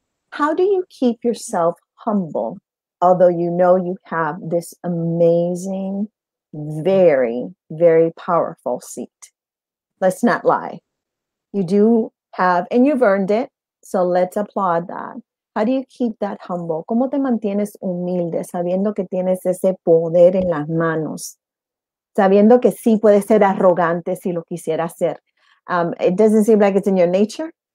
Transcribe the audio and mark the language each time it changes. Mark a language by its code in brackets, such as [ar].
[en] How do you keep yourself humble, although you know you have this amazing, very, very powerful seat? Let's not lie. You do have, and you've earned it, so let's applaud that. How do you keep that humble? [es] ¿Cómo te mantienes humilde sabiendo que tienes ese poder en las manos? Sabiendo que sí puedes ser arrogante si lo quisiera hacer. [en] It doesn't seem like it's in your nature.